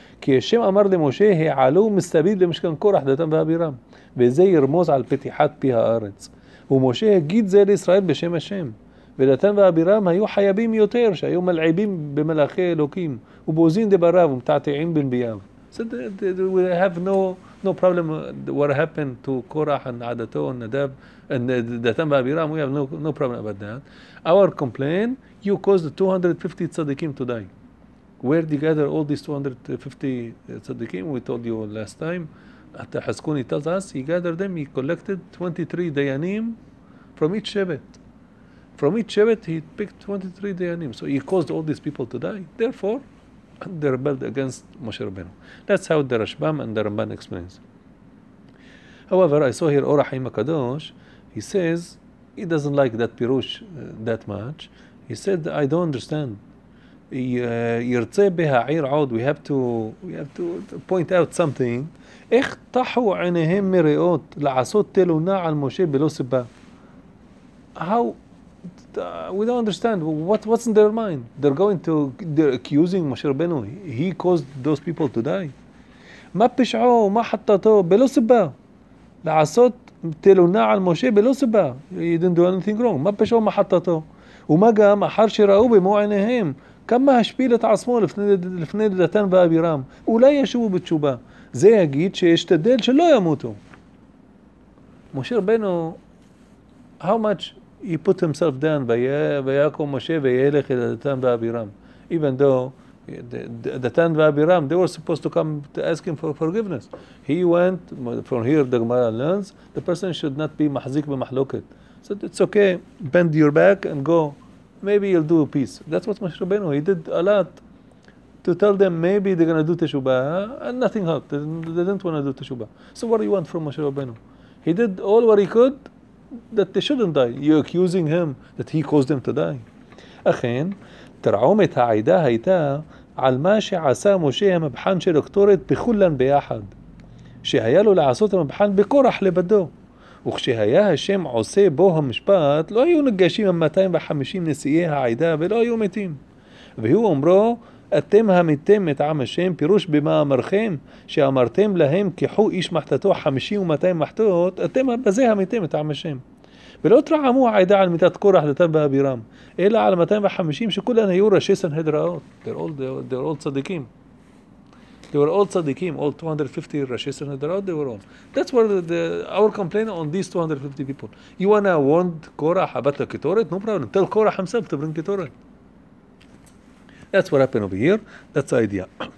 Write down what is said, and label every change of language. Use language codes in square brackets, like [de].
[he] כי השם אמר למשה, העלו מסביב למשכן קורח, דתם ואבירם. וזה ירמוז על פתיחת פי הארץ. ומשה הגיד זה לישראל בשם השם. ודתם ואבירם היו חייבים יותר, שהיו מלעיבים במלאכי אלוקים, ובוזים דבריו ומתעתעים בנביאיו. [en] So we have no problem what happened to Korach and Adato and Nadab and Datan ואבירם. We have no problem about that. Our complaint, you caused 250 tzaddikim to die. Where did you gather all these 250 tzaddikim? We told you last time. At Haskuni tells us, he gathered them, he collected 23 dayanim from each shevet. From each shevet, he picked 23 dayanim. So he caused all these people to die. Therefore, they rebelled against Moshe Rabbeinu. That's how the Rashbam and the Ramban explains. However, I saw here Or HaChaim HaKadosh. He says, he doesn't like that pirush that much. He said, I don't understand. ירצה בהעיר עוד, we have to point out something. [he] איך תחו עיניהם מראות לעשות תלונה על משה בלא סיבה? [en] How? We don't understand. What's in their mind? They're accusing Moshe Rabbeinu. He caused those people to die. [he] מה פשעו, מה חטאתו, בלא סיבה? לעשות תלונה על משה בלא סיבה. [en] He didn't do anything wrong. [he] מה פשעו, מה חטאתו? ומה גם, אחר שראו במו עיניהם, כמה השפיל את עצמו לפני דתן ואבירם, אולי ישובו בתשובה. זה יגיד שישתדל שלא ימותו. משה רבנו, how much he put himself down, ויעקב משה וילך אל דתן ואבירם. [en] Even though דתן ואבירם, they were supposed to come to ask him for forgiveness. He went, from here the Gemara learns, the person should not be מחזיק במחלוקת. So it's okay, bend your back and go. Maybe he'll do a peace. That's what Moshe Rabbeinu, he did a lot to tell them maybe they're going to do Teshubah and nothing helped. They didn't want to do Teshubah. So what do you want from Moshe Rabbeinu? He did all what he could that they shouldn't die. You're accusing him that he caused them to die. [he] אכן, תרעומת העידה הייתה על מה שעשה משה המבחן של הקטורת בכולן ביחד, שהיה לו לעשות המבחן בקורח לבדו. וכשהיה השם עושה בו המשפט, לא היו נגשים עם 250 נשיאי העדה ולא היו מתים. והוא אומרו, אתם המתם את עם השם, פירוש במאמרכם, שאמרתם להם, קחו איש מחתתו 50 ו-200 מחתות, אתם בזה המתם את עם השם. ולא תרעמו העדה על מיתת קורח דתן ואבירם, אלא על 250 שכולן היו ראשי סנהדראות. [en] They're all צדיקים. They were all tzaddikim, all 250 Rashi Sanhedraot, they were all. That's where our complaint on these 250 people. You want to warn Korach about the Ketoret? No problem. Tell Korach himself to bring Ketoret. That's what happened over here. That's the idea.